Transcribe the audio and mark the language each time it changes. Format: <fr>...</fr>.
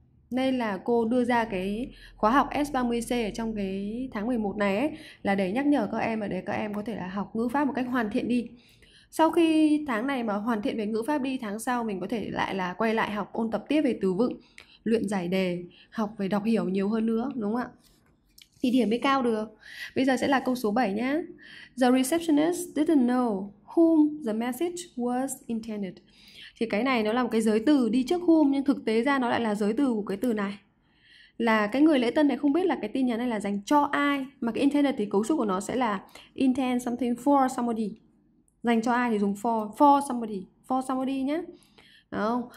<vi>Nên là cô đưa ra cái khóa học S30C ở trong cái tháng 11 này ấy, là để nhắc nhở các em và để các em có thể là học ngữ pháp một cách hoàn thiện đi. Sau khi tháng này mà hoàn thiện về ngữ pháp đi, tháng sau mình có thể lại là quay lại học ôn tập tiếp về từ vựng, luyện giải đề, học về đọc hiểu nhiều hơn nữa, đúng không ạ? Thì điểm mới cao được. Bây giờ sẽ là câu số 7 nhé.</vi> <en>The receptionist didn't know whom the message was intended.</en> <vi>Thì cái này nó là một cái giới từ đi trước whom, nhưng thực tế ra nó lại là giới từ của cái từ này. Là cái người lễ tân này không biết là cái tin nhắn này là dành cho ai. Mà cái intended thì cấu trúc của nó sẽ là</vi> <en>intend something for somebody.</en> <vi>Dành cho ai thì dùng</vi> <en>for somebody, for somebody</en> <vi>nhé. Đúng không?</vi>